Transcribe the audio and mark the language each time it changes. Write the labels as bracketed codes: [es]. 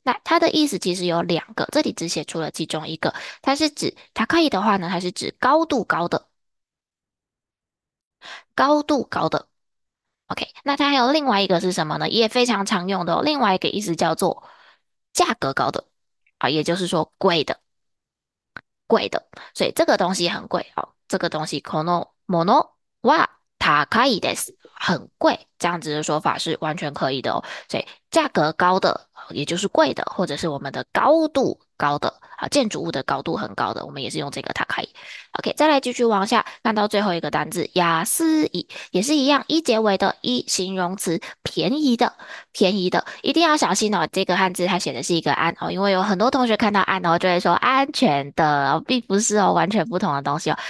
[zh] 那它的意思其实有两个，这里只写出了其中一个，它是指 takai 的话呢，它是指高度高的，高度高的。 OK，那它还有另外一个是什么呢？也非常常用的哦，另外一个意思叫做价格高的，啊，也就是说贵的，贵的。所以这个东西很贵哦，这个东西 [ja] このものは高いです。 [zh] 很贵，这样子的说法是完全可以的哦。所以价格高的，也就是贵的，或者是我们的高度高的啊，建筑物的高度很高的，我们也是用这个高い。 OK，再来继续往下，看到最后一个单字，安い，也是一样，一结尾的，一形容词，便宜的，便宜的，一定要小心哦。这个汉字它写的是一个安哦，因为有很多同学看到安哦，就会说安全的，哦，并不是哦，完全不同的东西哦。